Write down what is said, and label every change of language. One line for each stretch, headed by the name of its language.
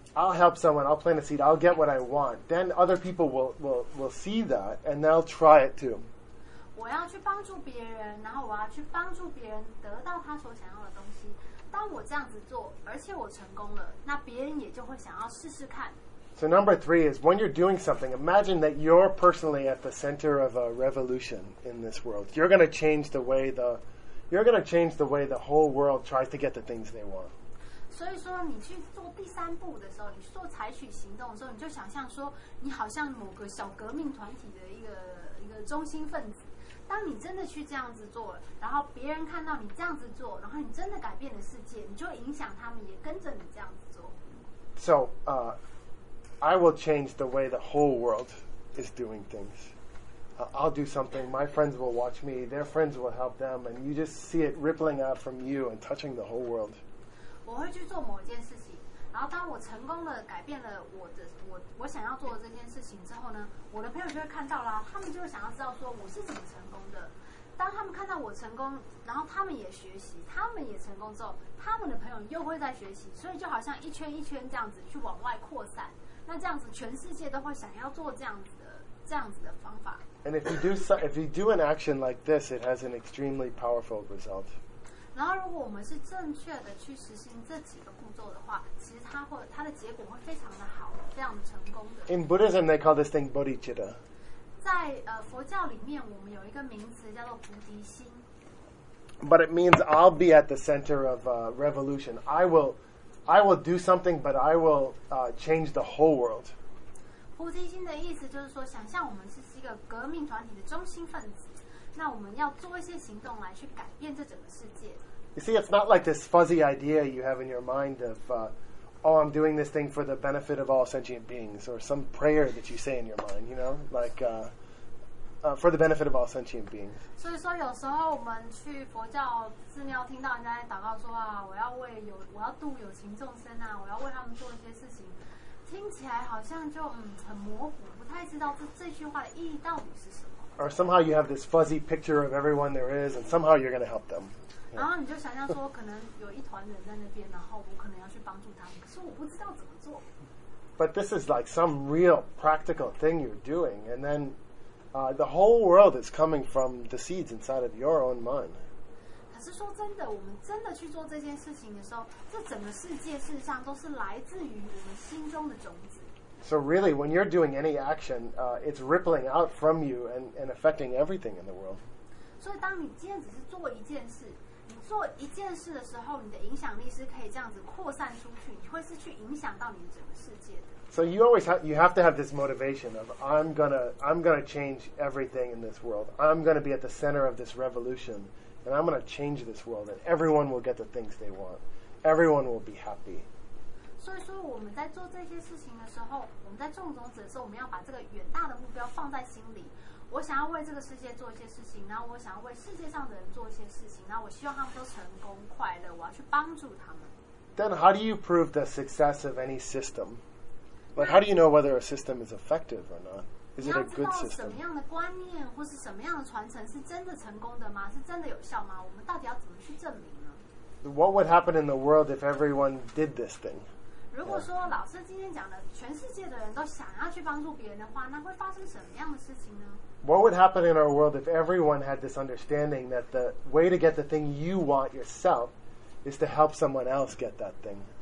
English: I'll help someone, I'll plant a seed, I'll get what I want. Then other people will see that and they'll try it too.
Chinese: 我要去帮助别人，然后我要去帮助别人得到他所想要的东西。当我这样子做，而且我成功了，那别人也就会想要试试看。
English: So number three is when you're doing something, imagine that you're personally at the center of a revolution in this world. You're going to change the way the whole world tries to get the things they want.
Chinese: 所以说你去做第三步的时候，你做采取行动的时候，你就想象说你好像某个小革命团体的一个中心分子。当你真的去这样子做，然后别人看到你这样子做，然后你真的改变了世界，你就影响他们也跟着你这样子做。
English: So, I will change the way the whole world is doing things. I'll do something, my friends will watch me, their friends will help them, and you just see it rippling out from you and touching the whole world.
Chinese: 我会去做某件事情，然后当我成功的改变了我想要做的这件事情之后呢，我的朋友就会看到啦，他们就会想要知道说我是怎么成功的。当他们看到我成功，然后他们也学习，他们也成功之后，他们的朋友又会在学习，所以就好像一圈一圈这样子去往外扩散。那这样子全世界都会想要做这样子的方法。
English: And if you do if you do an action like this, it has an extremely powerful result.
Chinese: 然后如果我们是正确的去实行这几个步骤的话，其实它的结果会非常的好，非常的成功的。
English: In Buddhism, they call this thing bodhicitta.
Chinese: 在佛教里面，我们有一个名词叫做菩提心。
English: But it means I'll be at the center of a revolution. I will do something, but I will change the whole world.
Chinese: 菩提心的意思就是说，想象我们是一个革命团体的中心分子，那我们要做一些行动来去改变这整个世界。
English: You see, it's not like this fuzzy idea you have in your mind of, I'm doing this thing for the benefit of all sentient beings, or some prayer that you say in your mind, you know, like, for the benefit of all sentient beings.
Chinese: 所以说有时候我们去佛教寺庙听到人家在祷告说啊，我要度有情众生啊，我要为他们做一些事情，听起来好像就很模糊，不太知道这句话的意义到底是什么。
English: Or somehow you have this fuzzy picture of everyone there is, and somehow you're going to help them.
Chinese: 然后你就想象说可能有一团人在那边，然后我可能要去帮助他们，可是我不知道怎么做。
English: But this is like some real practical thing you're doing, and then the whole world is coming from the seeds inside of your own mind.
Chinese: 可是说真的，我们真的去做这件事情的时候，这整个世界事实上都是来自于我们心中的种子。
English: So really, when you're doing any action, it's rippling out from you and affecting everything in the world.
Chinese: 所以当你今天只是做一件事，你做一件事的时候，你的影响力是可以这样子扩散出去，你会是去影响到你整个世界的。
English: So you always you have to have this motivation of I'm gonna change everything in this world. I'm gonna be at the center of this revolution, and I'm gonna change this world, and everyone will get the things they want. Everyone will be happy.
Chinese: 所以说我们在做这些事情的时候，我们在种种子的时候，我们要把这个远大的目标放在心里。我想要为这个世界做一些事情，然后我想要为世界上的人做一些事情，然后我希望他们都成功快乐。我要去帮助他们。
English: Then how do you prove the success of any system? But how do you know whether a system is effective or not? Is it a good system?
Chinese: 什么样的观念或是什么样的传承是真的成功的吗？是真的有效吗？我们到底要怎么去证明呢？
English: What would happen in the world if everyone did this thing?
Chinese: 如果说老师今天讲的，全世界的人都想要去帮助别人的话，那会发生什么样的事情呢？
English: what would happen in our world if everyone had this understanding that the way to get the thing you want yourself is to help someone else get that thing?